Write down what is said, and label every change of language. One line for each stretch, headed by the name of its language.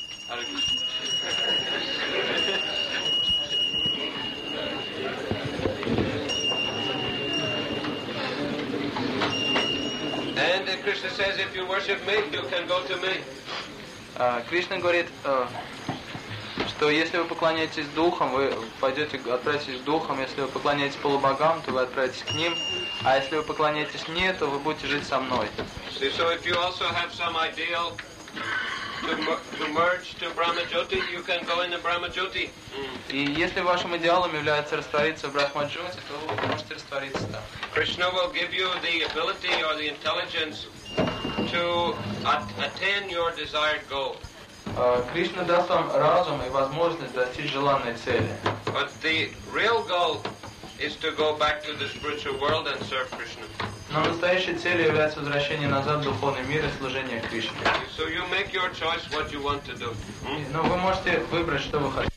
English: And Krishna says, if you worship me, you can go to me.
Russian: Krishna говорит, что если вы поклоняетесь духам, вы пойдете, отправитесь к духам, если вы поклоняетесь полубогам, то вы отправитесь к ним, а если вы поклоняетесь мне, то вы будете жить со мной.
English: So if you also have some ideal to merge to Brahma-jyoti, you can go in the Brahma-jyoti.
Russian: И если вашим идеалом является раствориться в Брахма-джоти, то вы можете раствориться там.
English: Krishna will give you the ability or the intelligence to attain your desired goal.
Russian: Кришна даст вам разум и возможность достичь желанной цели.
English: But the real goal is to go back to the spiritual world and serve Krishna.
Russian: Но настоящей целью является возвращение назад в духовный мир и служение Кришне.
English: So you make your choice what you want to do.
Russian: Но вы можете выбрать, что вы хотите.